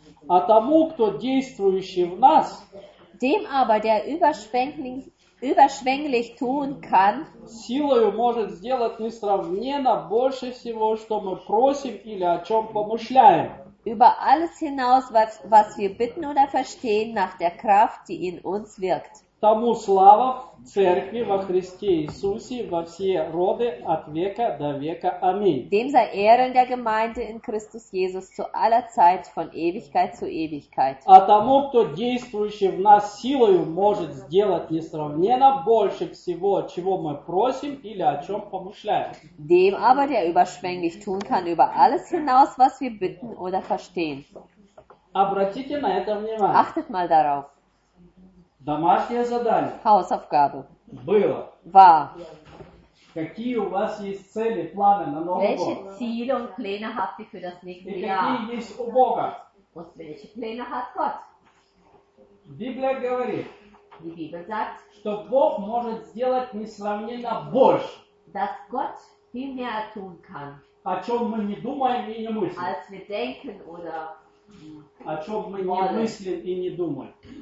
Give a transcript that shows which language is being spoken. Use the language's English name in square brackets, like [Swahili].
[Russian] А тому, кто действующий в нас, [German] dem aber, der überschwänglich tun kann, [Russian] силою может сделать несравненно больше всего, что мы просим или о чем помышляем. [German] Über alles hinaus, was wir bitten oder verstehen, nach der Kraft, die in uns wirkt. [Russian] Тому слава в Церкви во Христе Иисусе во все роды от века до века. Аминь. [German] Dem sei Ehre in der Gemeinde in Christus Jesus zu aller Zeit, von Ewigkeit zu Ewigkeit. [Russian] А тому, кто действующий в нас силою, может сделать несравненно больше всего, чего мы просим или о чем помышляем. [German] Dem aber, der überschwänglich tun kann, über alles hinaus, was wir bitten oder verstehen. [Russian] Обратите на это внимание. [German] Achtet mal darauf. [Russian] Домашнее задание. [German] Hausaufgabe. [Russian] Было. [German] War. [Russian] Какие у вас есть цели, планы на Новый год? [German] Welche Ziele und Pläne habt ihr für das nächste Jahr? [Russian] И какие есть у Бога? [German] Und welche Pläne hat Gott? [Russian] Библия говорит. [German] Die Bibel sagt, [Russian] что Бог может сделать несравненно больше. [German] Dass Gott viel mehr tun kann. [Russian] О чем мы не думаем и не мыслим. [German] Als wir denken oder [Russian] о чем мы не мыслим и не думаем.